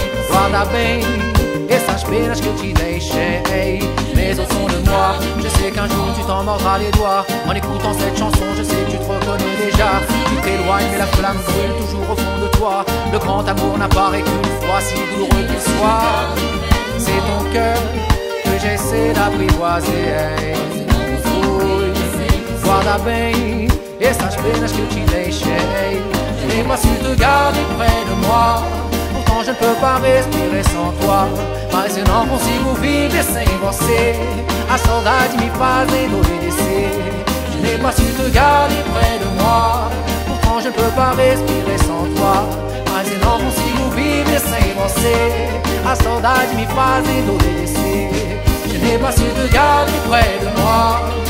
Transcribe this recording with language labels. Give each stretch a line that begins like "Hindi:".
Portuguese: Guarda bem essas penas que eu te deixei.
French: Mais au fond de moi, je sais qu'un jour tu t'en mordras les doigts. En écoutant cette chanson, je sais que tu te reconnais déjà. Tu t'éloignes, mais la flamme brûle toujours au fond de toi. Le grand amour n'apparaît qu'une fois, si douloureux qu'il soit. C'est ton cœur que j'essaie d'apprivoiser.
Portuguese: Oui, guarda bem essas penas que eu te deixei.
French: N'ai pas su te garder près de moi. Pourtant je ne peux pas respirer sans toi.
Portuguese: Mas eu não consigo viver sem você. A saudade me faz endurecer.
French: Je n'ai pas su te garder près de moi. Pourtant je ne peux pas respirer sans toi.
Portuguese: Mas eu não consigo viver sem você. A saudade me faz endurecer.
French: Je n'ai pas su te garder près de moi.